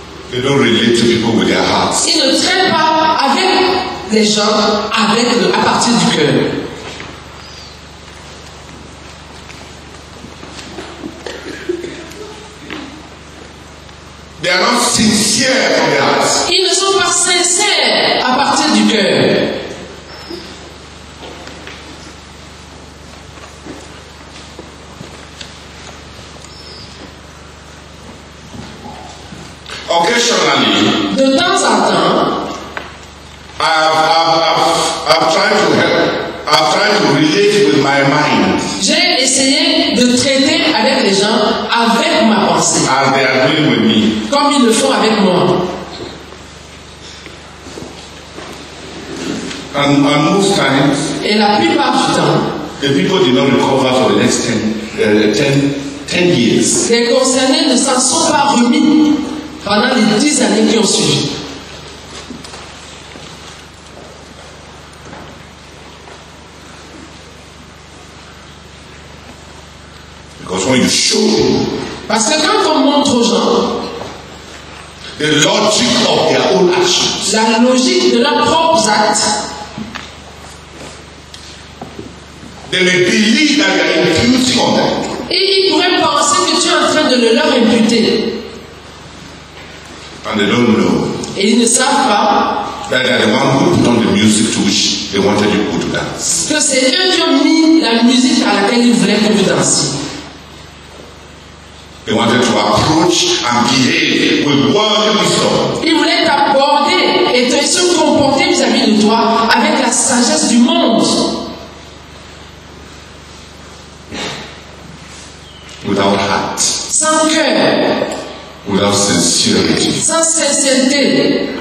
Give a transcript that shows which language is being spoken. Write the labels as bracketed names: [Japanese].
[English] They don't relate to people with their hearts. [French] Ils ne traînent pas avec les gens à partir du cœur. [English] They are not sincere from the heart. [French] Ils ne sont pas sincères à partir du cœur. [English] Occasionally, [French] de temps en temps, [English] I've tried to relate with my mind. [French] J'ai essayé de traiter avec les gens avec ma pensée. [English] As they are doing with me. [French] Comme ils le font avec moi. [English] And most times, [French] et la plupart du temps, [English] the people did not recover for the next 10 years. [French] Les concernés ne s'en sont pas remis pendant les 10 années qui ont suivi. [English] Because when you show, [French] parce que quand on montre aux gens [English] the logic of their own actions, [French] la logique de leurs propres actes, [English] they may believe that they are imputing on them. [French] Et ils pourraient penser que tu es en train de leur imputer. [English] And they don't know. [French] Et ils ne savent pas [English] that they are the ones who put on the music to which they wanted you to dance. [French] Que c'est eux qui ont mis la musique à laquelle ils voulaient que vous dansiez. [English] They wanted to approach and behave with worldly wisdom. [French] Ils voulaient t'aborder et te se comporter vis-à-vis de toi avec la sagesse du monde. [English] Without heart. [French] Sans cœur. [English] Without sincerity. [French] Sans sincérité.